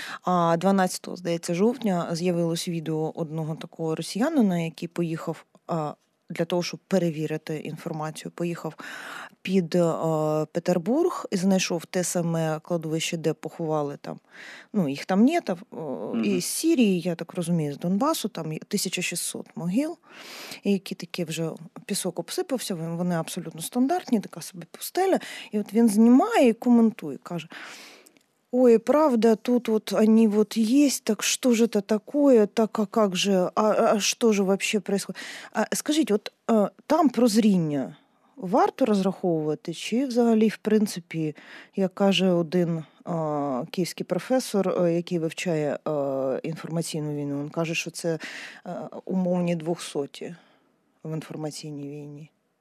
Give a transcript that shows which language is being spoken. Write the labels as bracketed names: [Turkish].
[Ukrainian] 12, здається, жовтня з'явилось відео одного такого росіянина, який поїхав для того, щоб перевірити інформацію, поїхав під Петербург і знайшов те саме кладовище, де поховали там. Ну, їх там нє, там, і з Сирії, я так розумію, з Донбасу, там 1600 могил, які такі вже пісок обсипався, вони абсолютно стандартні, така собі пустеля. І от він знімає і коментує, каже... [Russian] Ой, правда, тут вот они вот есть, так что же это такое, так а как же, а что же вообще происходит? Скажите, вот там [Ukrainian] прозріння варто розраховувати, чи взагалі, в принципі, як каже один київський професор, який вивчає інформаційну війну, він каже, що це умовні 200 в інформаційній війні.